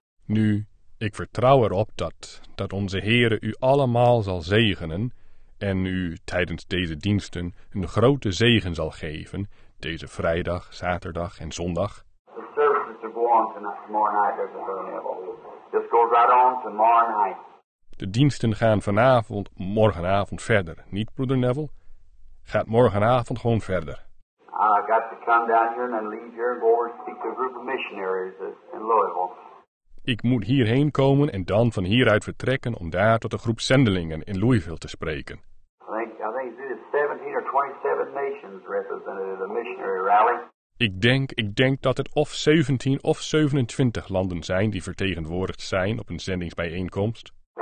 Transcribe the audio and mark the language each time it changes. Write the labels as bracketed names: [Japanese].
[Dutch] Nu, ik vertrouw erop dat onze Heere u allemaal zal zegenen en u tijdens deze diensten een grote zegen zal geven, deze vrijdag, zaterdag en zondag. [English] The services are going tomorrow night, Brother Neville. Just goes right on tomorrow night. [Dutch] De diensten gaan vanavond, morgenavond verder, niet broeder Neville? Gaat morgenavond gewoon verder. [English] I got to come down here and leave here and go over and speak to a group of missionaries in Louisville. [Dutch] Ik moet hierheen komen en dan van hieruit vertrekken om daar tot een groep zendelingen in Louisville te spreken. [English] I think it is 17 or 27 nations represented in the missionary rally. [Dutch] Ik denk dat het of 17 of 27 landen zijn die vertegenwoordigd zijn op een zendingsbijeenkomst.